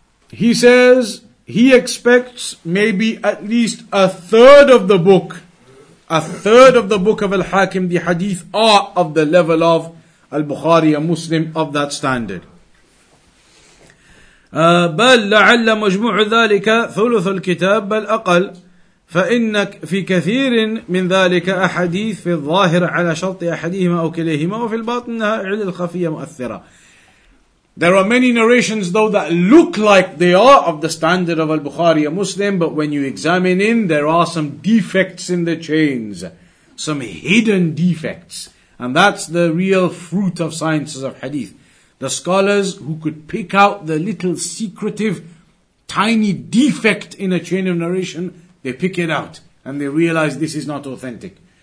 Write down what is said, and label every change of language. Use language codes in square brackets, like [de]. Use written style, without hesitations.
[en] He says, he expects maybe at least a third of the book of Al-Hakim, the Hadith, are of the level of Al-Bukhari, a Muslim of that standard. [ar] بل لعل مجموع ذلك ثلث الكتاب بل أقل فإنك في كثير من ذلك أحاديث في الظاهر على شرط أحدهما أو كليهما وفي الباطن على الخفية مؤثرة. [en] There are many narrations though that look like they are of the standard of Al-Bukhari and Muslim, but when you examine in, there are some defects in the chains, some hidden defects. And that's the real fruit of sciences of hadith. The scholars who could pick out the little secretive, tiny defect in a chain of narration, they pick it out and they realize this is not authentic.